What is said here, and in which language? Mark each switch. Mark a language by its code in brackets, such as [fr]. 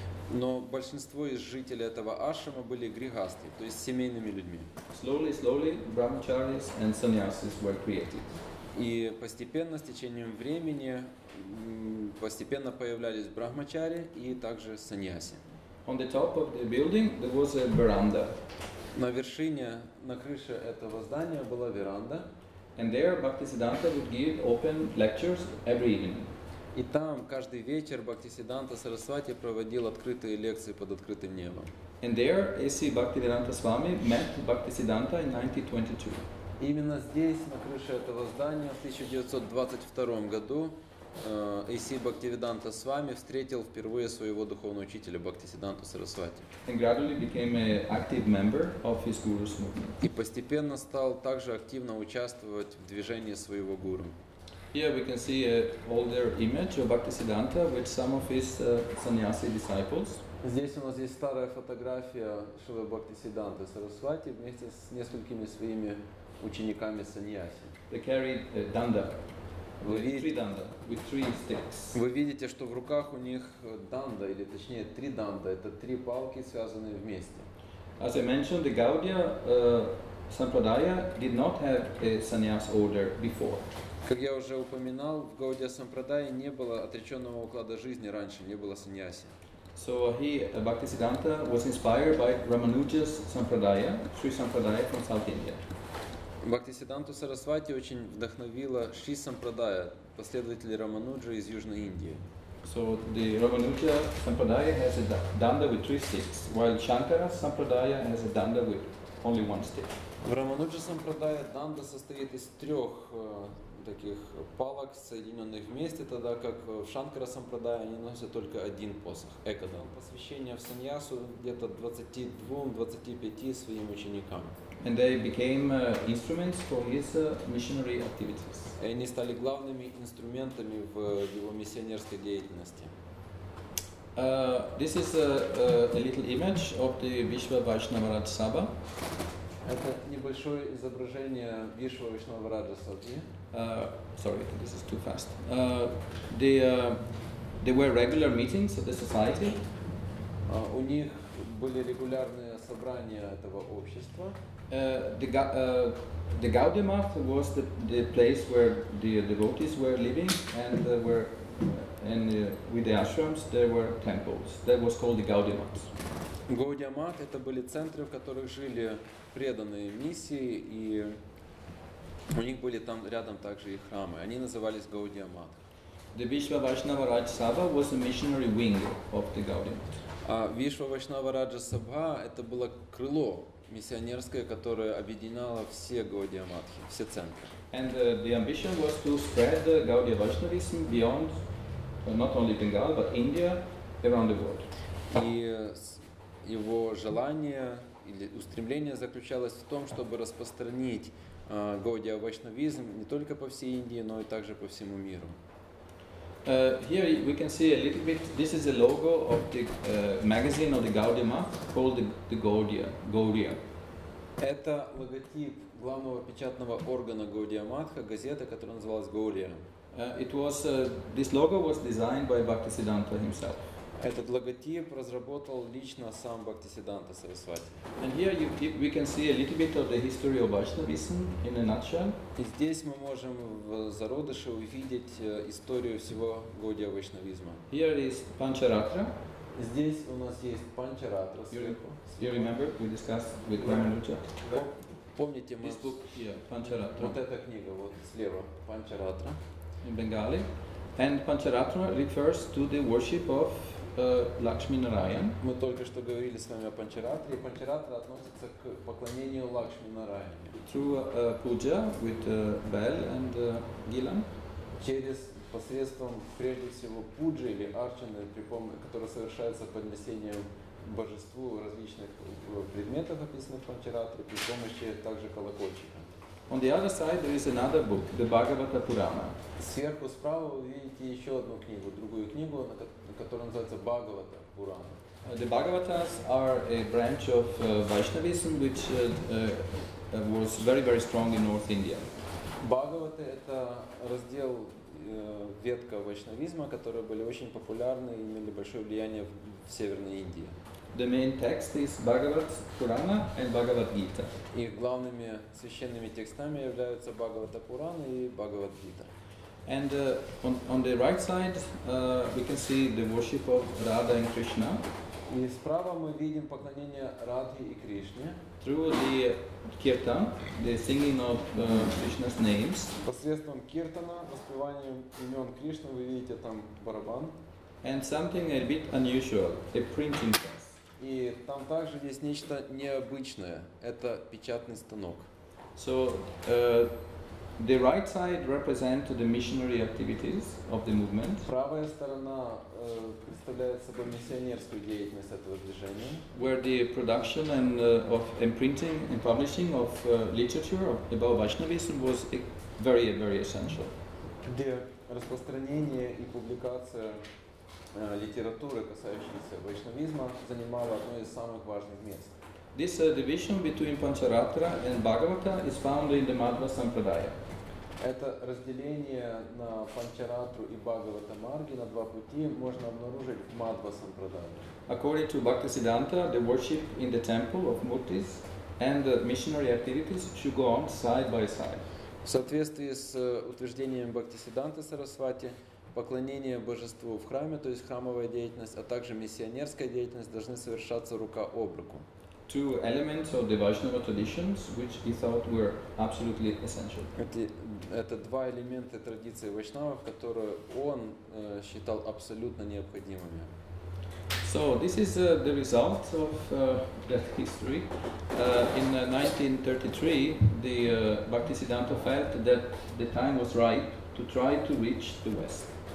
[ru] Но большинство из жителей этого ашрама были грихасты, то есть семейными людьми. [en] Slowly, slowly, brahmacharis and sannyasis were created. [ru] И постепенно, с течением времени, постепенно появлялись брахмачари и также саньяси. [en] On the top of the building there was a veranda. [ru] На вершине, на крыше этого здания была веранда. [en] And there Bhaktisiddhanta would give open lectures every evening. [ru] И там каждый вечер Бхактисиддханта Сарасвати проводил открытые лекции под открытым небом. [en] And there A.C. Bhaktivedanta Swami met Bhaktisiddhanta in 1922. [ru] Именно здесь, на крыше этого здания, в 1922 году A.C. Bhaktivedanta Swami встретил впервые своего духовного учителя Бхактисиддханту Сарасвати. [en] And gradually became an active member of his guru's movement. [ru] И постепенно стал также активно участвовать в движении своего гуру. [en] Here we can see an older image of Bhaktisiddhanta with some of his sannyasi disciples. [ru] Здесь у нас есть старая фотография Шрилы Бхактисиддханты Сарасвати вместе с несколькими своими учениками саньяси. [en] They carried danda. With three sticks. [ru] Вы видите, что в руках у них данда, или точнее три данда. Это три палки, связанные вместе. [en] As I mentioned, the Gaudiya Sampradaya did not have a sannyas order before. [ru] Как я уже упоминал, в Гаудия Сампрадае не было отреченного уклада жизни раньше, не было саньяси. [en] So he, Bhaktisiddhanta, was inspired by Ramanuja's Sampradaya, Sri Sampradaya from South India. [ru] Бхактисиддханту Сарасвати очень вдохновила Шри Сампрадая, последователи Рамануджи из Южной Индии. [en] So the Ramanuja Sampradaya has a danda with three sticks, while Shankara's Sampradaya has a danda with only one stick. [ru] В Рамануджа Сампрадая данда состоит из трех таких палок, соединенных вместе, тогда как в Шанкара Сампрадая они носят только один посох, экадан. Посвящение в саньясу где-то 22-25 своим ученикам. [en] And they became instruments for his missionary activities. [ru] И они стали главными инструментами в его миссионерской деятельности. [en] This is a little image of the Vishva Vaishnavaraj Sabha. [ru] Это небольшое изображение Вишва Вишнавараджа Сабхи. [en] Sorry, this is too fast. There were regular meetings of the society. [ru] У них были регулярные собрания этого общества. [en] The Gaudiya Math was the place where the devotees were living and were and with the ashrams there were temples. That was called the Gaudiya Math. [ru] Gaudiya Math это были центры, в которых жили преданные миссии, и у них были там рядом также и храмы. Они назывались Gaudiya Math. [en] The Vishva Vaishnavaraj Sabha was a missionary wing of the Gaudiya Math. [ru] А Vishva Vaishnavaraj Sabha это было крыло миссионерское, которое объединяло все Gaudiya Math, все центры. [en] And the ambition was to spread the Gaudiya Vaishnavism beyond not only Bengal, but India around the world. [ru] И его желание или устремление заключалось в том, чтобы распространить Gaudiya Vaishnavism не только по всей Индии, но и также по всему миру. [en] Here we can see a little bit, this is the logo of the magazine of the Gaudiya Math called the Gaudiya. [ru] Это логотип главного печатного органа Gaudiya Math, газета, которая называлась Gaudiya. [en] This logo was designed by Bhaktisiddhanta himself. [ru] Этот логотип разработал лично сам Бхактисиддханта Сарасвати. [en] And here we can see a little bit of the history of Vaishnavism in a nutshell. [ru] И здесь мы можем в зародыше увидеть историю всего Gaudiya Vaishnavism. [en] Here is Pancharatra. [ru] Здесь у нас есть Pancharatra. [en] You remember we discussed with Ramanuja? [ru] Помните мы? [en] This book here, Pancharatra. [ru] Вот эта книга вот слева, Pancharatra. [en] In Bengali. And Pancharatra refers to the worship of Лакшми Нараян. [ru] Мы только что говорили с вами о Панчаратре, и Панчаратра относится к поклонению Лакшми Нараяне. [en] Through puja with bell and gilam. [ru] Через посредством прежде всего пуджи или арчаны, которые совершаются под несением божеству различных предметов, описанных в Панчаратре, при помощи также колокольчика. [en] On the other side there is another book, the Bhagavata Purana. [ru] Сверху справа вы видите еще одну книгу, другую книгу, которая называется Бхагавата Пурана. [en] The Bhagavatas are a branch of Vaishnavism which was very very strong in North India. [ru] Бхагавата это раздел ветка вайшнавизма, которые были очень популярны и имели большое влияние в Северной Индии. [en] The main text is Bhagavat Purana and Bhagavad Gita. [ru] Их главными священными текстами являются Бхагавата Пурана и Бхагавад Гита. [en] And on the right side we can see the worship of Radha and Krishna. [ru] И справа ми видим поклонение Радхи і Кришне. [en] Through the kirtan, the singing of Krishna's names. [ru] Посредством киртана, воспеванием имен Кришны, ви видите там барабан. [en] And something a bit unusual, a printing press. [ru] И там также есть нечто необычное. Это печатный станок. [en] So the right side represents the missionary activities of the movement. [ru] Правая сторона представляет собой миссионерскую деятельность этого движения. [en] Where the production and of imprinting and publishing of literature about Vaishnavism was very very essential. [ru] Где распространение и публикация литературы, касающейся вайшнавизма, занимала одно из самых важных мест. [en] This division between Pancharatra and Bhagavata is found in the Madhva Sampradaya. [ru] Это разделение на Панчаратру и Бхагавата Марги на два пути можно обнаружить в Мадва Сампрадае. [en] According to Bhaktisiddhanta, the worship in the temple of Murtis and the missionary activities should go on side by side. [ru] В соответствии с утверждением Бхактисиддханты Сарасвати, поклонение божеству в храме, то есть храмовая деятельность, а также миссионерская деятельность должны совершаться рука об руку. [en] Two elements of the Vaishnava traditions, which he thought were absolutely essential. [ru] Это два элемента традиции вайшнавов, которые он считал абсолютно необходимыми. [en] So this is the result of that history. In 1933, the Bhaktisiddhanta felt that the time was ripe to try to reach the West.